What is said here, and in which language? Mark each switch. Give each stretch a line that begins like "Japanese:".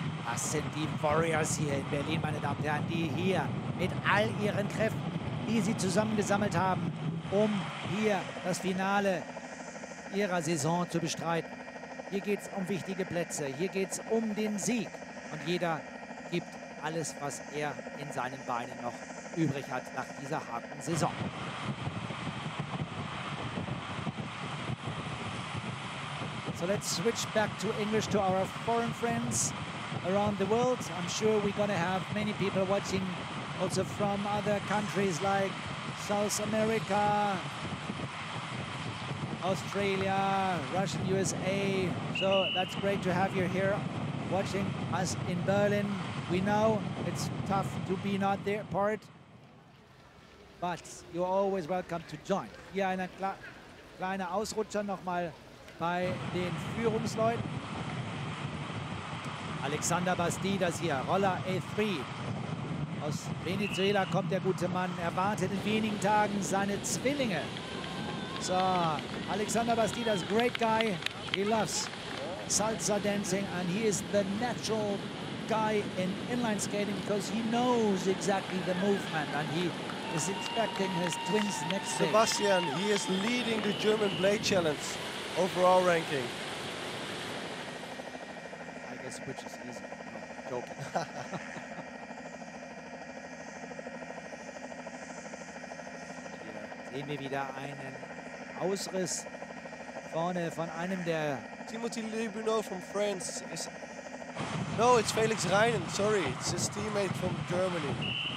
German: Das sind die Warriors hier in Berlin, meine Damen und Herren, die hier mit all ihren Kräften, die sie zusammengesammelt haben, um hier das Finale ihrer Saison zu bestreiten. Hier geht es um wichtige Plätze, hier geht es um den Sieg. Und jeder gibt alles, was er in seinen Beinen noch übrig hat nach dieser harten Saison.
English: So let's switch back to English to our foreign friends around the world. I'm sure we're gonna have many people watching also from other countries like South America, Australia, Russian, USA. So that's great to have you here watching us in Berlin. We know it's tough to be not there part, but you're always welcome to join.
German: Hier ein kleiner Ausrutscher nochmal bei den Führungsleuten. Alexander Bastidas hier, Roller A3. Aus Venezuela kommt der gute Mann, erwartet in wenigen Tagen seine Zwillinge.
English: So, Alexander Bastidas, great guy. He loves salsa dancing and he is the natural guy in inline skating because he knows exactly the movement and he is expecting his twins next day. Sebastian, he is leading the German Blade Challenge overall ranking. I guess which is easy. No, joking.
German: Hier sehen wir wieder einen Ausriss vorne von einem der
English: Timothy Libuno from France. Is no, it's Felix Reinen, sorry, it's his teammate from Germany.